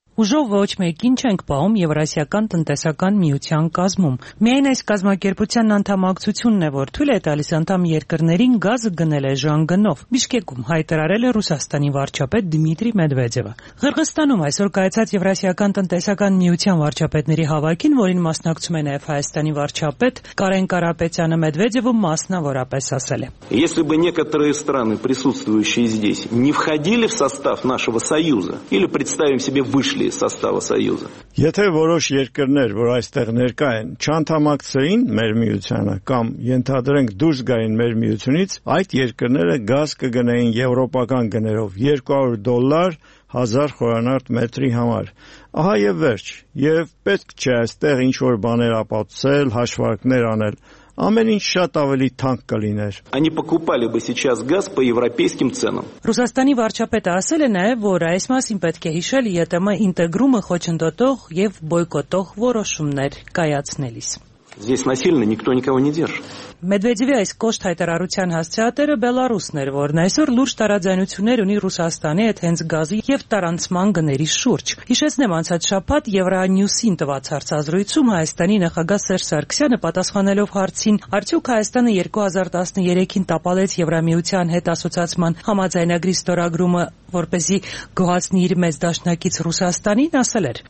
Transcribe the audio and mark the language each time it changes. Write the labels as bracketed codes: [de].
[hy] Ուժով ոչ մեկին չենք պահում Եվրասիական տնտեսական միության կազմում։ Միայն այս կազմակերպության անդամակցությունն է, որ թույլ է տալիս անդամ երկրներին գազը գնել ժանգնով, Բիշկեկում հայտարարել է Ռուսաստանի վարչապետ Դմիտրի Մեդվեդևը։ Ղրղստանում այսօր կայացած Եվրասիական տնտեսական միության վարչապետների հավաքին, որին մասնակցում է նաև Հայաստանի վարչապետ Կարեն Կարապետյանը, Մեդվեդևը մասնավորապես ասել է. [ru] Если бы некоторые страны, присутствующие здесь, не входили в состав нашего союза, или представим себе вышли из состава союза. [hy] Եթե որոշ երկրներ, որ այստեղ ներկա են, չանդամակցեին մեր միությանը կամ ենթադրենք դուրս գային մեր միությունից, այդ երկրները գազ կգնային եվրոպական գներով $200 1000 խորանարդ մետրի համար։ Ահա եւ վերջ, եւ պետք չէ այստեղ ինչ որ բաներ ապացուցել, հաշվարկներ անել։ Ամեն ինչ շատ ավելի թանկ կլիներ։ [ru] Они покупали бы сейчас газ по европейским ценам։ [hy] Ռուսաստանի վարչապետը ասել է նաև, որ այս մասին պետք է հիշել ԵՏՄ ինտեգրումը խոչընդոտող եւ բոյկոտող որոշումներ կայացնելիս։ [ru] Здесь насильно никто никого не держит։ [hy] Մեդվեդևի այս կոշտ հայտարարության հասցեատերը Բելարուսն էր, որն այսօր լուրջ տարաձայնություններ ունի Ռուսաստանի հետ հենց գազի և տարանցման գների շուրջ։ Հիշեցնեմ, անցած շաբաթ Եվրանյուսին տված հարցազրույցում Հայաստանի նախագահ Սերժ Սարգսյանը, պատասխանելով հարցին, արդյոք Հայաստանը 2013-ին տապալեց Եվրամիության հետ ասոցիացման համաձայնագրի ստորագրումը, որպեսզի գոհացնի իր մեծ դաշնակից Ռուսաստանին, ասել էր.